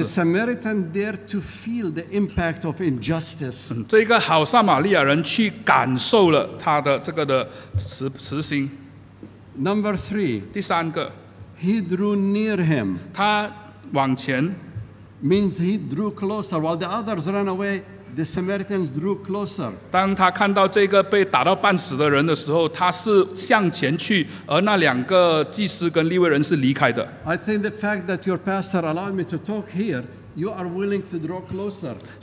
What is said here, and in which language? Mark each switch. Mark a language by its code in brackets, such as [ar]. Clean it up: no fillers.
[en] The Samaritan dared to feel the impact of injustice. [zh] 这个好撒玛利亚人去感受了他的这个的慈心。 [en] Number three. [zh] 第三个。 [en] He drew near him. [zh] 他 往前, [en] means he drew closer. While the others ran away, the Samaritans drew closer. [zh] 当他看到这个被打到半死的人的时候，他是向前去，而那两个祭司跟利未人是离开的。 [en] I think the fact that your pastor allowed me to talk here, you are willing to draw closer.